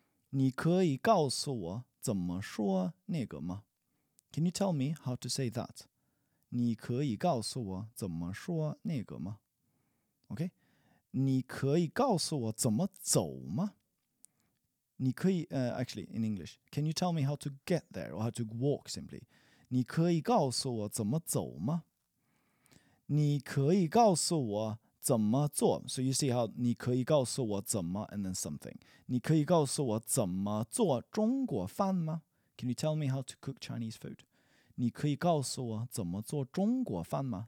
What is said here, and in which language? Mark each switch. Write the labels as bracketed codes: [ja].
[zh] 你可以告诉我怎么说那个吗? [en] Can you tell me how to say that? [zh] 你可以告诉我怎么说那个吗? [en] Okay. [zh] 你可以告诉我怎么走吗? 你可以 [en] actually in English, can you tell me how to get there or how to walk simply? [zh] 你可以告诉我怎么走吗? 你可以告诉我怎么做? [en] So you see how [zh] 你可以告诉我怎么 [en] and then something. [zh] 你可以告诉我怎么做中国饭吗? [en] Can you tell me how to cook Chinese food? [zh] 你可以告诉我怎么做中国饭吗?